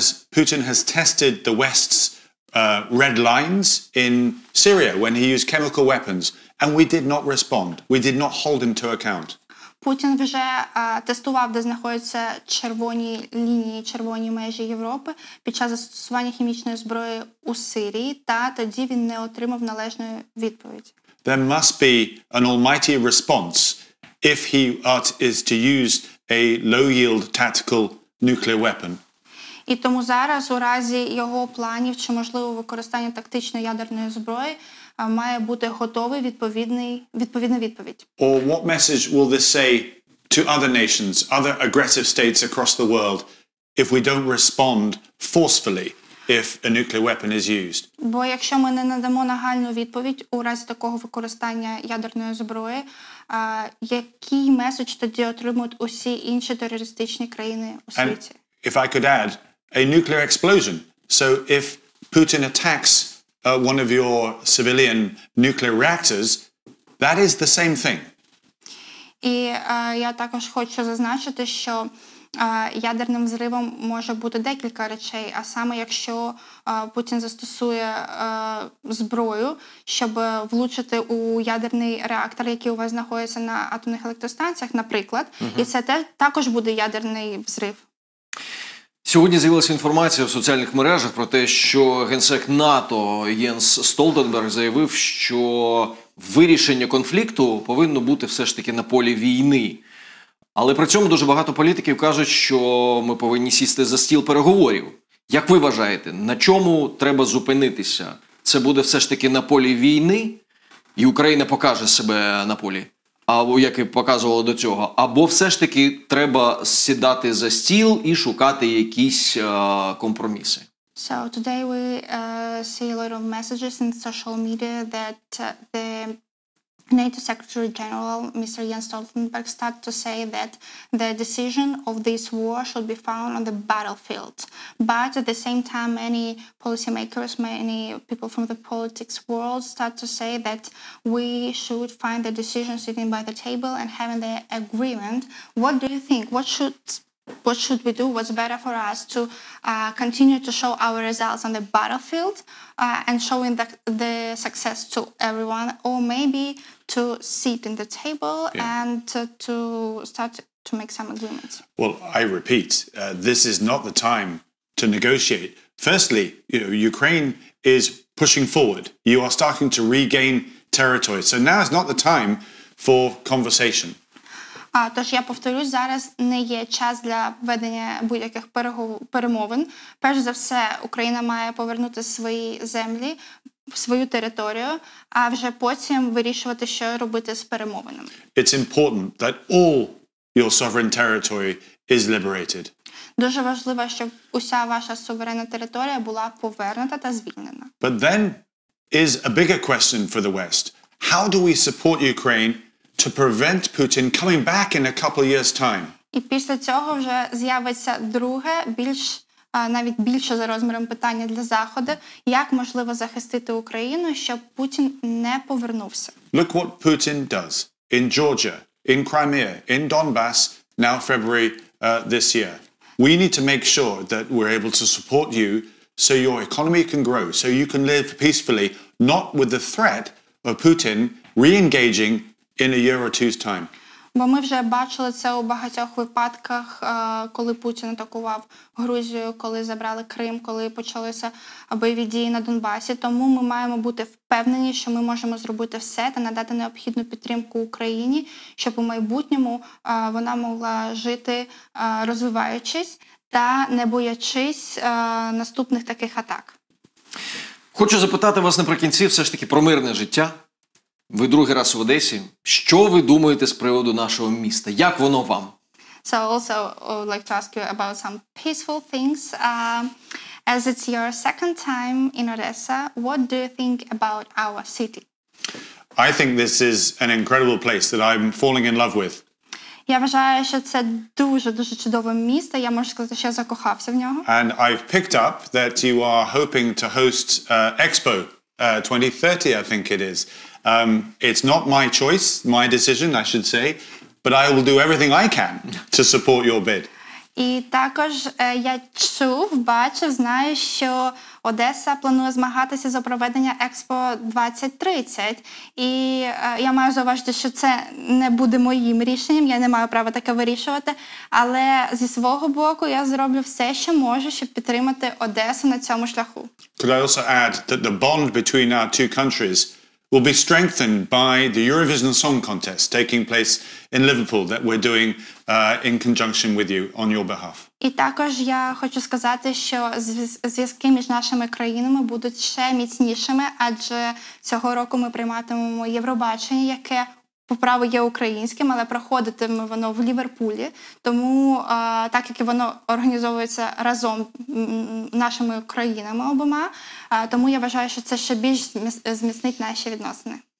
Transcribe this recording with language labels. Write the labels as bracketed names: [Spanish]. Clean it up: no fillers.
[English] Путін has tested the West's red lines in Syria when he used chemical weapons, and we did not respond. We did not hold him to account. [Ukrainian] Путін вже тестував, де знаходяться червоні лінії, червоні межі Європи під час застосування хімічної зброї у Сирії, та тоді він не отримав належної відповіді. [English] There must be an almighty response if he is to use a low-yield tactical nuclear weapon. [Ukrainian] І тому зараз у разі його планів чи можливого використання тактичної ядерної зброї має бути готовий відповідна відповідь. [English] Or what message will this say to other nations, other aggressive states across the world, if we don't respond forcefully if a nuclear weapon is used. [Ukrainian] Бо якщо ми не надамо нагальну відповідь у разі такого використання ядерної зброї, який меседж тоді отримують усі інші терористичні країни у світі? [English] And if I could add, a nuclear explosion. So if Putin attacks one of your civilian nuclear reactors, that is the same thing. [Ukrainian] І я також хочу зазначити, що ядерним взривом може бути декілька речей, а саме якщо Путін застосує зброю, щоб влучити у ядерний реактор, який у вас знаходиться на атомних електростанціях, наприклад, і це також буде ядерний взрив. Сьогодні з'явилася інформація в соціальних мережах про те, що генсек НАТО Єнс Столтенберг заявив, що вирішення конфлікту повинно бути все ж таки на полі війни. Але при цьому дуже багато політиків кажуть, що ми повинні сісти за стіл переговорів. Як ви вважаєте, на чому треба зупинитися? Це буде все ж таки на полі війни, і Україна покаже себе на полі, або як і показувало до цього, або все ж таки треба сідати за стіл і шукати якісь компроміси? [English] So today we see a lot of messages in social media that the NATO Secretary General, Mr. Jens Stoltenberg, start to say that the decision of this war should be found on the battlefield. But at the same time, many policymakers, many people from the politics world start to say that we should find the decision sitting by the table and having the agreement. What do you think? What should we do? What's better for us to continue to show our results on the battlefield and showing the success to everyone, or maybe to sit in the table and to start to make some agreements? Well, I repeat, this is not the time to negotiate. Firstly, you know, Ukraine is pushing forward. You are starting to regain territory. So now is not the time for conversation. [Ukrainian] Тож я повторюсь, зараз не є час для ведення будь-яких перемовин. Перш за все, Україна має повернути свої землі, свою територію, а вже потім вирішувати, що робити з перемовинами. [English] It's important that all your sovereign territory is liberated. [Ukrainian] Дуже важливо, щоб уся ваша суверенна територія була повернута та звільнена. [English] But then is a bigger question for the West. How do we support Ukraine to prevent Putin coming back in a couple of years' time? [Ukrainian] І після цього вже з'явиться друге, більш навіть більше за розміром питання для Заходу, як можливо захистити Україну, щоб Путін не повернувся. [English] Look what Putin does in Georgia, in Crimea, in Donbass, now February this year. We need to make sure that we're able to support you so your economy can grow, so you can live peacefully, not with the threat of Putin re-engaging in a year or two's time. [Ukrainian] Бо ми вже бачили це у багатьох випадках, коли Путін атакував Грузію, коли забрали Крим, коли почалися бойові дії на Донбасі. Тому ми маємо бути впевнені, що ми можемо зробити все та надати необхідну підтримку Україні, щоб у майбутньому вона могла жити, розвиваючись та не боячись наступних таких атак. Хочу запитати вас наприкінці все ж таки про мирне життя. Ви другий раз в Одесі. Що ви думаєте з приводу нашого міста? Як воно вам? [English] So also I would like to ask you about some peaceful things. As it's your second time in Odessa, what do you think about our city? I think this is an incredible place that I'm falling in love with. [Ukrainian] Я вважаю, що це дуже-дуже чудове місто. Я можу сказати, що я закохався в нього. [English] And I've picked up that you are hoping to host Expo 2030, I think it is. It's not my choice, my decision, I should say, but I will do everything I can to support your bid. [Ukrainian] І також я чув, бачив, знаю, що Одеса планує змагатися за проведення Експо 2030. І я маю зауважити, що це не буде моїм рішенням, я не маю права таке вирішувати, але зі свого боку я зроблю все, що можу, щоб підтримати Одесу на цьому шляху. [English] Could I also add that the bond between our two countries will be strengthened by the Eurovision Song Contest taking place in Liverpool that we're doing in conjunction with you on your behalf. [Ukrainian] І також я хочу сказати, що зв'язки між нашими країнами будуть ще міцнішими, адже цього року ми прийматимемо Євробачення, яке Поправо є українським, але проходитиме воно в Ліверпулі. Тому, так як воно організовується разом нашими країнами обома, тому я вважаю, що це ще більш зміцнить наші відносини.